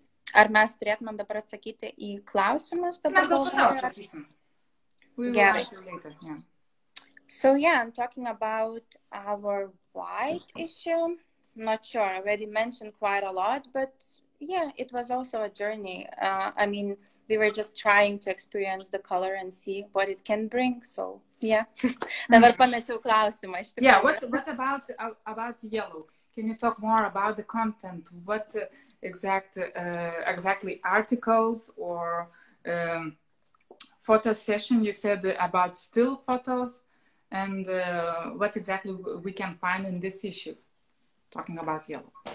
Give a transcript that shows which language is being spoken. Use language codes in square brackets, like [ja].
[lt] Ar mes turėtumėm dabar atsakyti į klausimus? Mes gal toliau atsakysim. [en] So yeah, I'm talking about our white issue. I'm not sure, I already mentioned quite a lot, but yeah, it was also a journey. I mean, we were just trying to experience the color and see what it can bring. So yeah, [lt] dabar pamečiau klausimą. [en] Yeah, what about yellow? Can you talk more about the content? What exactly articles or photo session you said about still photos, and what exactly we can find in this issue talking about yellow.